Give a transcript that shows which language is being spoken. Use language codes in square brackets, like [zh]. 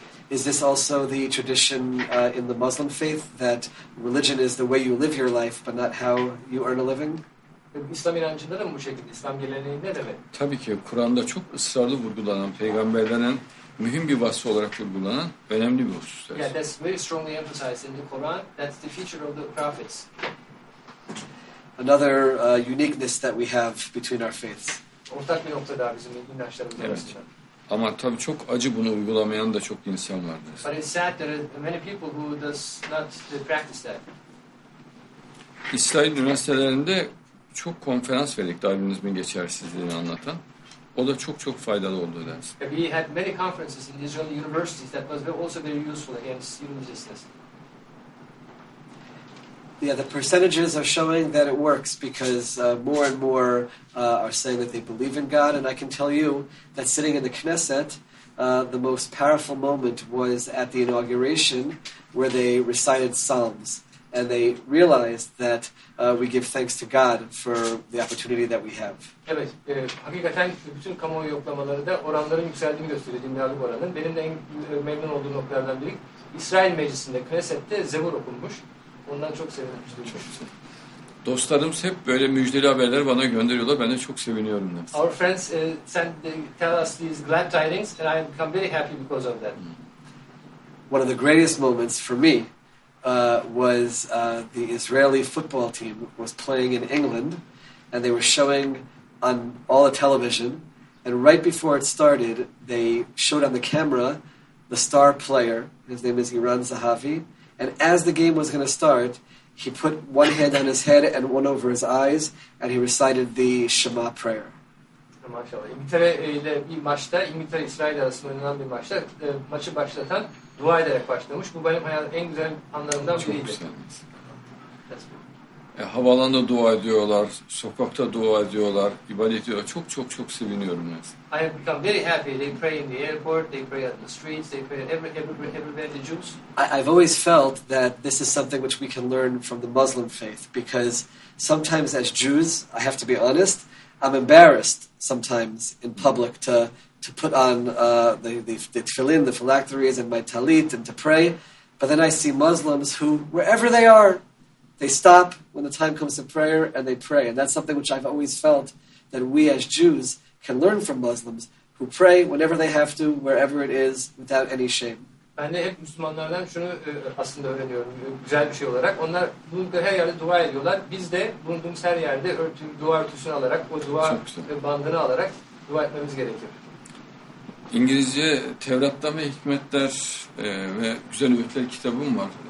[en] Is this also the tradition in the Muslim faith that religion is the way you live your life but not how you earn a living? [tr] İslam inancında da mı bu şekilde? İslam geleneğinde de mi? Tabii ki Kur'an'da çok ısrarlı vurgulanan, peygamberlerin mühim bir vasfı olarak vurgulanan önemli bir husus. [en] Yeah, that's very strongly emphasized in the Quran. That's the feature of the prophets. Another uniqueness that we have between our faiths. [tr] Ortak bir nokta daha bizim inançlarımız evet. Arasında. Ama tabii çok acı bunu uygulamayan da çok insan vardır. [en] But it's sad there are many people who does not practice that. [tr] İsrail üniversitelerinde çok konferans verdik Darwinizmin geçersizliğini anlatan. O da çok çok faydalı oldu dersin. [en] We had many conferences in Israeli universities that was also very useful against irreligiousness. Yeah, the percentages are showing that it works because more and more are saying that they believe in God. And I can tell you that sitting in the Knesset, the most powerful moment was at the inauguration where they recited Psalms. And they realized that we give thanks to God for the opportunity that we have. [tr] Evet, hakikaten bütün kamuoyu yoklamaları da oranların yükseldiğini gösteriyor, dinleyicilik oranının. Benim de en memnun olduğum noktalardan biri İsrail Meclisi'nde, Knesset'te Zebur okunmuş. Ondan çok sevinmiştim. Dostlarım hep böyle müjdeli haberler bana gönderiyorlar. Ben de çok seviniyorum. Demiş. [en] Our friends send tell us these glad tidings and I become very happy because of that. One of the greatest moments for me was the Israeli football team was playing in England and they were showing on all the television and right before it started they showed on the camera the star player, his name is Iran Zahavi. And as the game was going to start, he put one hand on his head and one over his eyes, and he recited the Shema prayer. [tr] Maşallah. İngiltere ile bir maçta, İngiltere-İsrail arasında oynanan bir maçta, maçı başlatan dua ederek başlamış. Bu benim hayatımın en güzel anlarımdan biriydi. Havalanda dua ediyorlar, sokakta dua ediyorlar, ibadet ediyorlar. Çok çok çok seviniyorum. [en] I have become very happy. They pray in the airport, they pray on the streets, they pray everywhere the Jews. I've always felt that this is something which we can learn from the Muslim faith, because sometimes as Jews, I have to be honest, I'm embarrassed sometimes in public to put on the tefillin, the phylacteries, and my talit, and to pray. But then I see Muslims who, wherever they are, they stop when the time comes to prayer and they pray. And that's something which I've always felt that we as Jews can learn from Muslims who pray whenever they have to, wherever it is, without any shame. [tr] Ben de hep Müslümanlardan şunu aslında öğreniyorum güzel bir şey olarak. Onlar burada her yerde dua ediyorlar. Biz de bulunduğumuz her yerde dua örtüsünü alarak, o dua bandını alarak dua etmemiz gerekiyor. İngilizce Tevrat'tan ve Hikmetler ve Güzel Öğütler kitabım var.